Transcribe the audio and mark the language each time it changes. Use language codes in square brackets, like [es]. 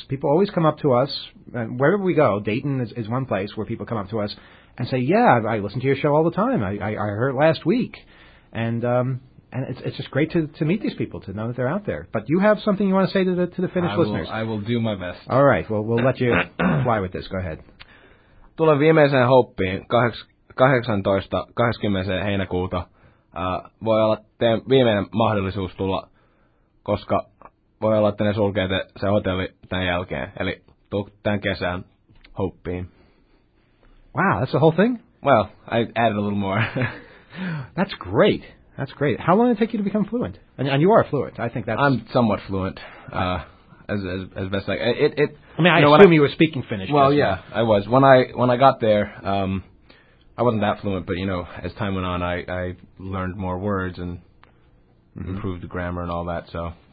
[en] People always come up to us, and wherever we go, Dayton is one place where people come up to us and say, yeah, I listen to your show all the time. I heard it last week. And it's just great to meet these people, to know that they're out there. But you have something you want to say to the Finnish listeners? I will do my best. All right. Well, we'll let you fly with this. Go ahead. [fi] Tulen viimeiseen hoppiin 18. heinäkuuta. Voi olla teidän viimeinen mahdollisuus tulla, koska voi olla, että ne sulkee se hotelli tämän jälkeen. Eli tuu tämän kesän hoppiin. [en] Wow, that's the whole thing? Well, I added a little more. That's great. That's great. How long did it take you to become fluent? And you are fluent. I think that's... I'm somewhat fluent, as best I... I mean, you were speaking Finnish. Well, yeah, I was. When I got there, I wasn't that fluent, but, you know, as time went on, I learned more words and improved the grammar and all that, so...